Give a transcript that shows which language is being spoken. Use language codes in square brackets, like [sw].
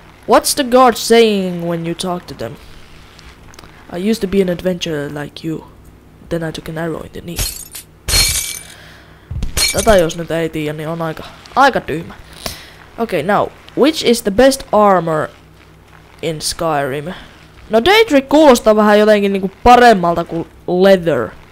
[en] What's the guard saying when you talk to them? I used to be an adventurer like you. Then I took an arrow in the knee. [fi] Tätä jos nyt ei tiiä, niin on aika tyhmä. [en] Okay, now, which is the best armor in Skyrim? [fi] No Daedric kuulostaa vähän jotenkin niinku paremmalta kuin leather.